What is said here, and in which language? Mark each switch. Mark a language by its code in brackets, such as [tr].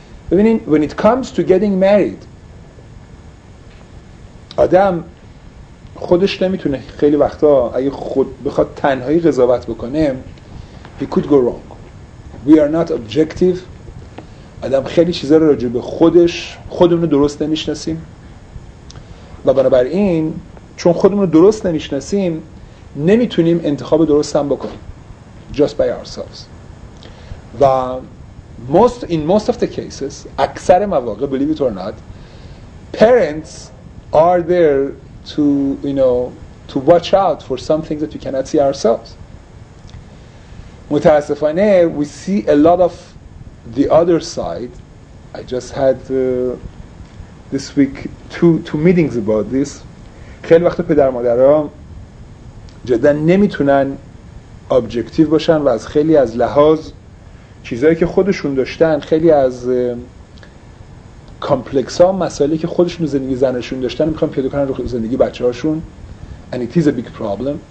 [fa] ببینین [en] when it comes to getting married [fa] آدم خودش نمیتونه خیلی وقتا اگه خود بخواد تنهایی قضاوت بکنه [en] he could go wrong. We are not objective. [fa] آدم خیلی چیزا رو راجع به خودمونو درست نمیشناسیم و بنابراین چون خودمونو درست نمیشناسیم نمیتونیم انتخاب درست هم بکنیم [en] just by ourselves. و in most of the cases [fa] اکثر مواقع [en] believe it or not parents are there to you know to watch out for some things that we cannot see ourselves. [fa] متاسفانه [en] we see a lot of the other side. I just had this week two meetings about this. [fa] خیلی وقت پدر مادرها جدن نمیتونن ابجکتیو باشن و از خیلی از لحاظ چیزایی که خودشون داشتن، خیلی از کامپلکس ها مسائلی که خودشون زندگی زنشون داشتن میخوان پیدا کنن رو زندگی بچه هاشون [en] and it is a big problem.